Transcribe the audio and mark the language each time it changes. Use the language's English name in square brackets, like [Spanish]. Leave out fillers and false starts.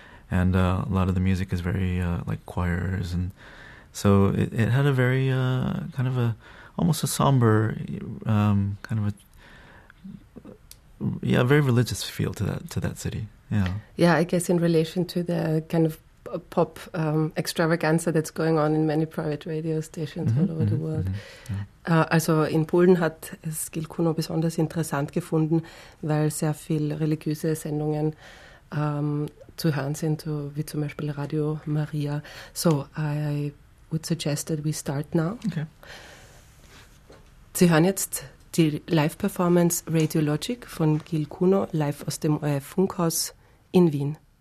[English] And a lot of the music is very like choirs. And so it had a very kind of a, almost a somber, kind of a, yeah, very religious feel to that city. Yeah. Yeah, I guess in relation to the kind of pop extravaganza that's going on in many private radio stations all over the world. [German] Also in Polen hat Gil Kuno besonders interessant gefunden, weil sehr viel religiöse Sendungen zu hören sind, wie zum Beispiel Radio Maria. [English] So, I would suggest that we start now. Okay. [German] Sie hören jetzt die Live-Performance Radio Logic von Gil Kuno live aus dem ORF Funkhaus in Wien.